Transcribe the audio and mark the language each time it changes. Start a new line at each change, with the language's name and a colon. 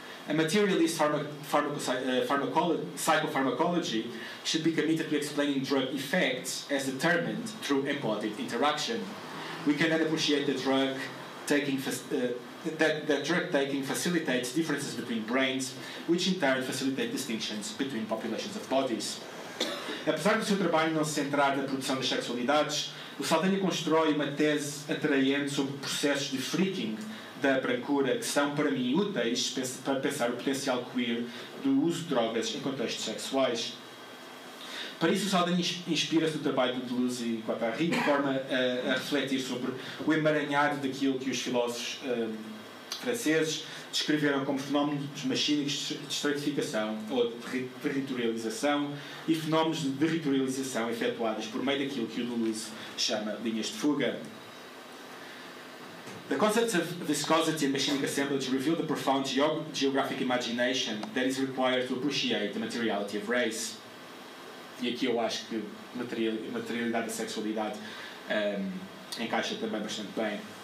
English: A materialist psychopharmacology should be committed to explaining drug effects as determined through embodied interaction. We cannot appreciate the drug taking that drug taking facilitates differences between brains, which in turn facilitate distinctions between populations of bodies.
Portuguese: Apesar do seu trabalho não se centrar na produção das sexualidades, o Saldanha constrói uma tese atraente sobre processos de freaking da brancura que são, para mim, úteis para pensar o potencial queer do uso de drogas em contextos sexuais. Para isso, o Saldanha inspira-se do trabalho de Deleuze e Guattari, de forma a refletir sobre o emaranhado daquilo que os filósofos franceses descreveram como fenómenos machínicos de estratificação ou de territorialização e fenómenos de territorialização efetuados por meio daquilo que o Deleuze chama linhas de fuga.
English: The concepts of viscosity and machinic assemblage reveal the profound geographic imagination that is required to appreciate the materiality of race.
Portuguese: E aqui eu acho que materialidade e sexualidade encaixa também bastante bem.